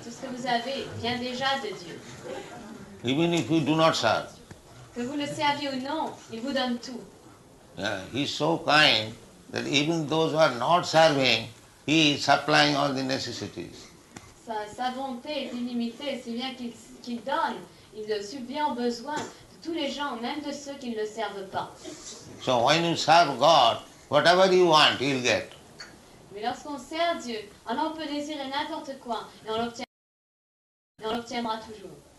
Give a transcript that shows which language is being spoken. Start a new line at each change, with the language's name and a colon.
French: Tout ce que vous avez vient déjà de Dieu.
English: Even if you do not serve.
French: Que vous le serviez ou non, il vous donne tout.
English: Yeah, he is so kind that even those who are not serving, he is supplying all the necessities.
French: Sa bonté est illimitée, si bien qu'il donne, il subvient aux besoins de tous les gens, même de ceux qui ne le servent pas.
English: So when you serve God, whatever you want, you'll get.
French: Mais lorsqu'on sert Dieu, alors on peut désirer n'importe quoi et on l'obtiendra toujours.